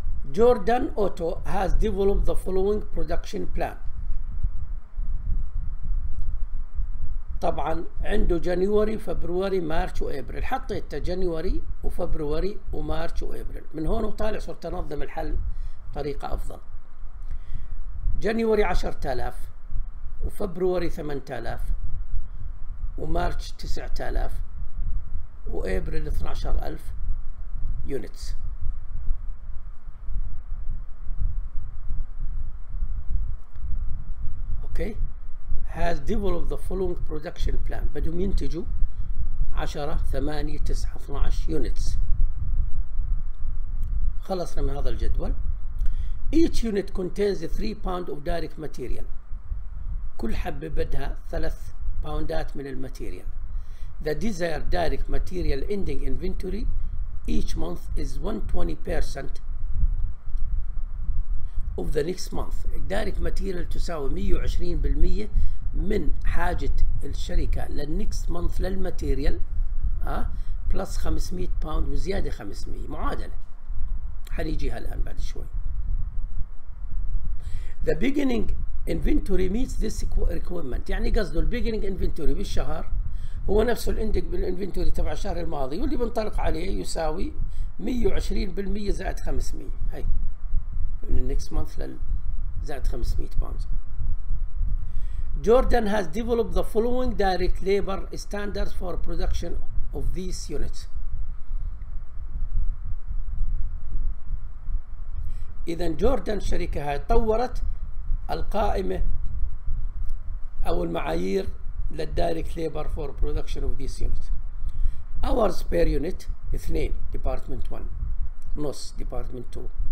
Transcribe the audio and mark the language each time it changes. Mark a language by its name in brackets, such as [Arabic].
[English] Jordan Auto has developed the following production plan. [Arabic] طبعا عنده جانيوري فبروري مارش وابريل، حطيت جانيوري وفبروري ومارش وابريل، من هون وطالع صرت انظم الحل بطريقه افضل. جانيوري 10,000 وفبروري 8,000 ومارش 9,000 وابريل 12,000 يونتس. [English] Okay? has developed the following production plan. [Arabic] بدهم ينتجوا 10 8 9 12 units. خلصنا من هذا الجدول. [English] Each unit contains 3 pound of direct material. [Arabic] كل حبة بدها 3 باوندات من الماتيريال. [English] The desired direct material ending inventory each month is 120% of the next month. [Arabic] الدايركت ماتيريال تساوي 120% من حاجة الشركة للنكست مانث للماتيريال، ها بلس 500 باوند وزيادة 500، معادلة حنيجيها الآن بعد شوي. [English] The beginning inventory meets this requirement، [Arabic] يعني قصده البيجنينج انفنتوري بالشهر هو نفسه الاندنج انفنتوري تبع الشهر الماضي واللي بنطلق عليه يساوي 120% زائد 500، هي من النكست مانث زائد 500 باوند. [English] Jordan has developed the following direct labor standards for production of these units. [Arabic] إذا Jordan الشركة هاي طورت القائمة أو المعايير للدايركت ليبر فور برودكشن اوف ذيس يونت. [English] Hours per unit 2 department 1 نص department 2.